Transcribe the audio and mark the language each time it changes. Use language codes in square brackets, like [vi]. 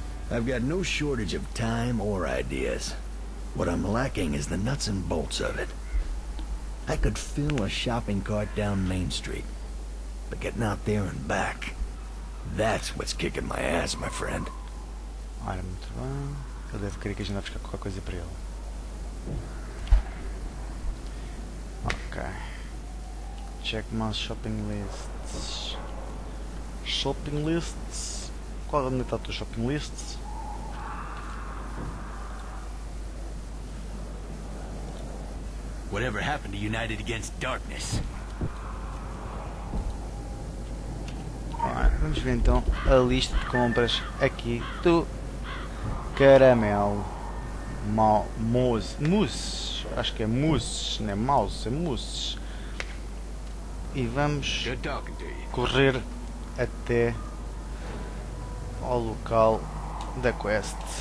[en] I've got no shortage of time or ideas. What I'm lacking is the nuts and bolts of it. I could fill a shopping cart down Main Street. But getting out there and back, that's what's kicking my ass, my friend. I'm trying. [pt] Ele deve querer que a gente vá buscar qualquer coisa para ele. Ok. [en] Check my shopping lists. Shopping lists. [pt] Qual é a metade dos shopping lists? [en] Whatever happened to United Against Darkness? [pt] Right, vamos ver então a lista de compras aqui do caramelo. Mousse. Acho que é mousse, não é mouse, é mousse. E vamos correr até ao local da quest.